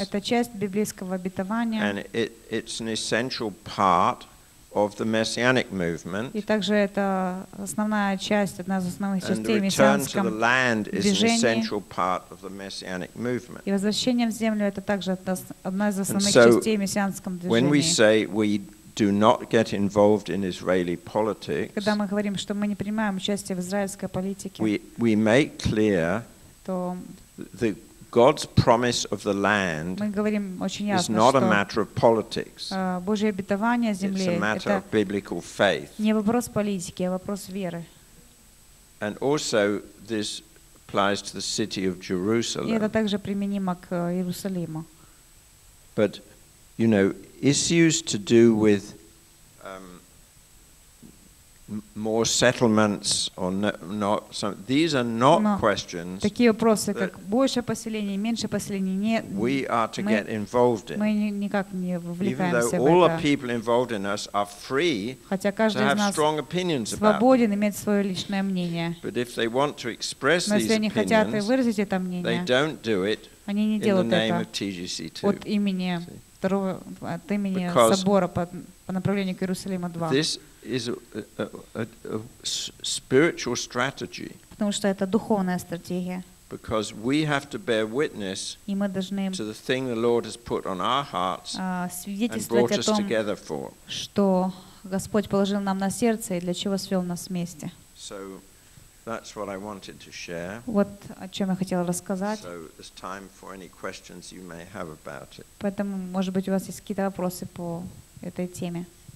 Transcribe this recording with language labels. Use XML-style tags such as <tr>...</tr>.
<ru>Это часть библейского обетования,</ru> <en>and it's an essential part of the messianic movement.</en> <ru>И также это основная часть, одна из основных частей мессианского движения. И возвращение в землю — это также одна из основных частей мессианского движения.</ru> <en>When we say we do not get involved in Israeli politics,</en> <ru>когда мы говорим, что мы не принимаем участие в израильской политике,</ru> <en>we make clear the God's promise of the land is not a matter of politics.</en> <ru>Божье обетование земли —</ru> <en>it's a matter of biblical faith.</en> <ru>Не вопрос политики, а вопрос веры.</ru> <en>And also this applies to the city of Jerusalem.</en> <ru>И это также применимо к Иерусалиму.</ru> <en>But you know, issues to do with more settlements or not? Some, these are not questions.</en> <ru>Такие вопросы, как больше поселений, меньше поселений, нет.</ru> <en>We are to get involved in.</en> <ru>Мы никак не вовлекаемся в это.</ru> <en>Even though all the people involved in us are free,</en> <ru>хотя каждый из нас</ru> <en>strong opinions about,</en> <ru>свободен иметь свое личное мнение.</ru> <en>But if they want to express these opinions,</en> <ru>но если они хотят выразить это мнение,</ru> <en>they don't do it.</en> <ru>Они не делают это.</ru> <en>In the name of TGC2.</en> <ru>От имени второго, от имени собора по направлению к Иерусалиму 2.</ru> <en>Is a spiritual strategy.</en> <ru>Потому что это духовная стратегия.</ru> <en>Because we have to bear witness to the thing the Lord has put on our hearts and brought us together for.</en> <ru>Что Господь положил нам на сердце и для чего свел нас вместе.</ru> <en>So that's what I wanted to share.</en> <ru>Вот о чем я хотела рассказать.</ru> <en>So there's time for any questions you may have about it.</en> <ru>Поэтому, может быть, у вас есть какие-то вопросы по этой теме.</ru>